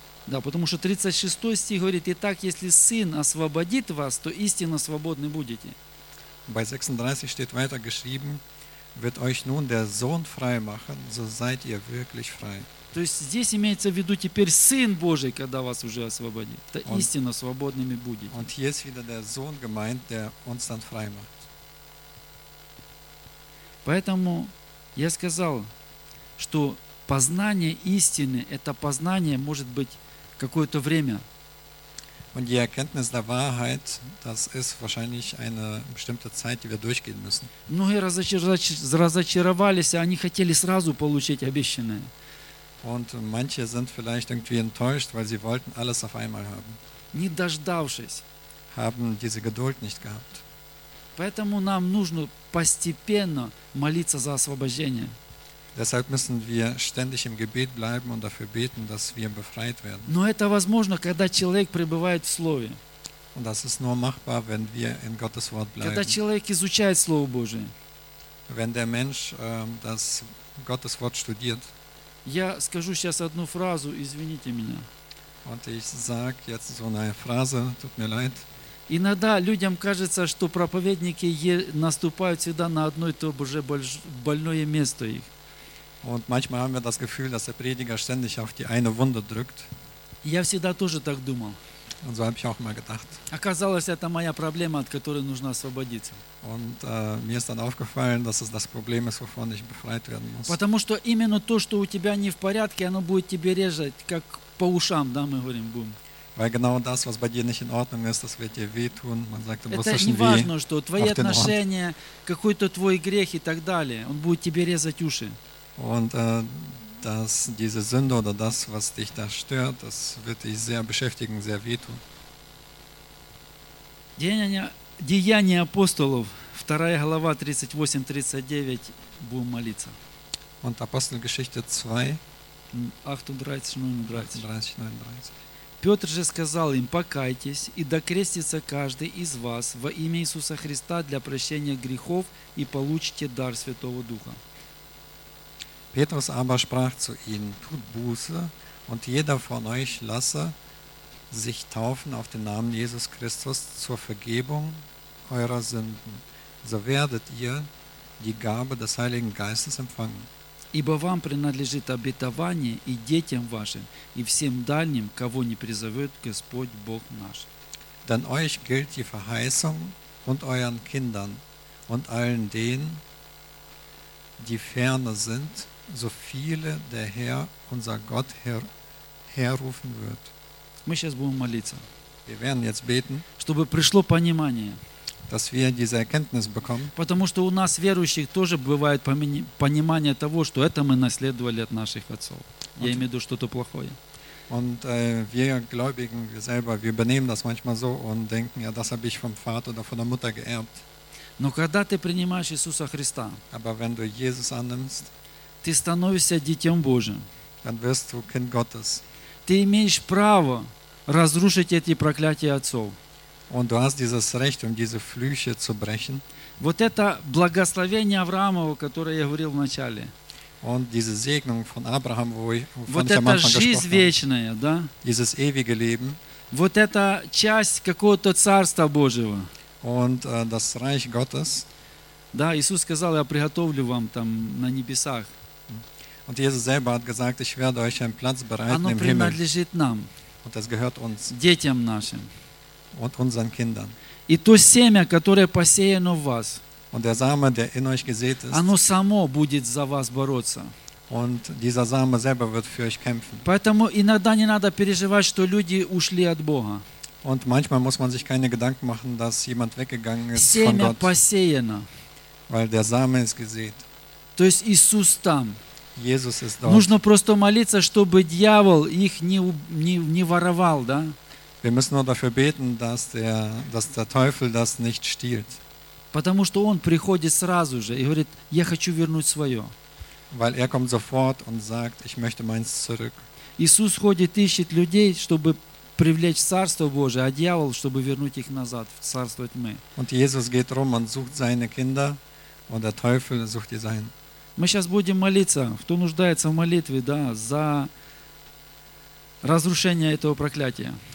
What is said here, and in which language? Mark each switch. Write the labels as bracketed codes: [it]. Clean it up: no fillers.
[ru] Да, потому что 36 стих говорит: «Итак, если Сын освободит вас, то истинно свободны будете». [de] Bei 36 steht weiter geschrieben: «Wird euch nun der Sohn frei machen, so seid ihr wirklich frei». [ru] То есть здесь имеется в виду теперь Сын Божий, когда вас уже освободит, то истинно свободными будете. [de] Und hier ist wieder der Sohn gemeint, der uns dann frei macht. [ru] Поэтому я сказал, что познание истины – это познание, может быть, какое-то время. [de] Und die Erkenntnis der Wahrheit, das ist wahrscheinlich eine bestimmte Zeit, die wir durchgehen müssen. [ru] Многие разочаровались, они хотели сразу получить обещанное. [de] Und manche sind vielleicht irgendwie enttäuscht, weil sie wollten alles auf einmal haben. [ru] Не дождавшись. [de] Haben diese Geduld nicht gehabt. [ru] Поэтому нам нужно постепенно молиться за освобождение. [de] Deshalb müssen wir ständig im Gebet bleiben und dafür beten, dass wir befreit werden. [ru] Но это возможно, когда человек пребывает в слове. [de] Und das ist nur machbar, wenn wir in Gottes Wort bleiben. [ru] Когда человек изучает слово Божие. [de] Wenn der Mensch das Gottes Wort studiert. [ru] Я скажу сейчас одну фразу, извините меня. [de] Und ich sag jetzt so eine Phrase, tut mir leid. [ru] Иногда людям кажется, что проповедники наступают всегда на одно и то же больное место их. [de] Und manchmal haben wir das Gefühl, dass der Prediger ständig auf die eine Wunde drückt. [ru] Я всегда тоже так думал. [de] Und so habe ich auch immer gedacht. [ru] Оказалось, это моя проблема, от которой нужно освободиться. [de] Und mir ist dann aufgefallen, dass es das Problem ist, wovon ich befreit werden muss. [ru] Потому что именно то, что у тебя не в порядке, оно будет тебе резать, как по ушам, да, мы говорим, бум. [de] Weil genau das, was bei dir nicht in Ordnung ist, das wird dir wehtun. Man sagt im russischen weh. [ru] Это не важно, что твои отношения, какой-то твой грех и так далее, он будет тебе резать уши. [de] Und dass diese Sünde oder das, was dich da stört, das wird dich sehr beschäftigen, sehr wehtun. [ru] Деяния апостолов, 2 глава, 38-39, будем молиться. [de] Und Apostelgeschichte 2, 38-39. [ru] Петр же сказал им, покайтесь, и докрестится каждый из вас во имя Иисуса Христа для прощения грехов, и получите дар Святого Духа. [de] Petrus aber sprach zu ihnen, tut Buße und jeder von euch lasse sich taufen auf den Namen Jesus Christus zur Vergebung eurer Sünden. So werdet ihr die Gabe des Heiligen Geistes empfangen. [ru] Ибо вам принадлежит обетование и детям вашим, и всем дальним, кого не призовет Господь Бог наш. [de] Denn euch gilt die Verheißung und euren Kindern und allen denen, die ferne sind, so viele der Herr, unser Gott, herrufen wird. [ru] Мы сейчас будем молиться. [de] Wir werden jetzt beten, [ru] чтобы пришло понимание. [de] Dass wir diese Erkenntnis bekommen. [ru] Потому что у нас, верующих, тоже бывает понимание того, что это мы наследовали от наших отцов. Я имею в виду что-то плохое. [de] Und wir Gläubigen, wir selber, wir übernehmen das manchmal so und denken, ja, das habe ich vom Vater oder von der Mutter geerbt. [ru] Но когда ты принимаешь Иисуса Христа, [de] aber wenn du Jesus annimmst, [ru] ты становишься Детем Божьим. [de] Dann wirst du Kind Gottes. [ru] Ты имеешь право разрушить эти проклятия отцов. [de] Und du hast dieses Recht, diese Flüche zu brechen. [ru] Вот это благословение Авраамова, которое я говорил в начале. [de] Und diese Segnung von Abraham, wovon ich am Anfang gesprochen habe. [ru] Вот это жизнь вечная, да? [de] Dieses ewige Leben. [ru] Вот это часть какого-то Царства Божьего. [de] Und das Reich Gottes. [ru] Да, Иисус сказал, я приготовлю вам там на небесах. [de] Und Jesus selber hat gesagt, ich werde euch einen Platz bereiten im Himmel. [ru] Оно принадлежит нам. [de] Und das gehört uns. [ru] Детям нашим. [de] Und unseren Kindern. [ru] И то семя, которое посеяно в вас. [de] Und der Same, der in euch gesät ist. [ru] Оно само будет за вас бороться. [de] Und dieser Same selber wird für euch kämpfen. [ru] Поэтому иногда не надо переживать, что люди ушли от Бога. [de] Und manchmal muss man sich keine Gedanken machen, dass jemand weggegangen ist [ru] семя [de] von Gott. [ru] Посеяно. [de] Weil der Same ist gesät. [ru] То есть Иисус там. [de] Jesus ist dort. [ru] Нужно просто молиться, чтобы дьявол их не воровал, да? [de] Wir müssen nur dafür beten, dass der Teufel das nicht stiehlt. [ru] Потому что он приходит сразу же и говорит, я хочу вернуть свое. [de] Weil kommt sofort und sagt, ich möchte meins zurück. [ru] Иисус ходит, ищет людей, чтобы привлечь Царство Божие, а дьявол, чтобы вернуть их назад в Царство Тьмы. [de] Und Jesus geht rum und sucht seine Kinder, und der Teufel sucht die Seinen. [ru] Мы сейчас будем молиться, кто нуждается в молитве, да, за разрушение этого проклятия.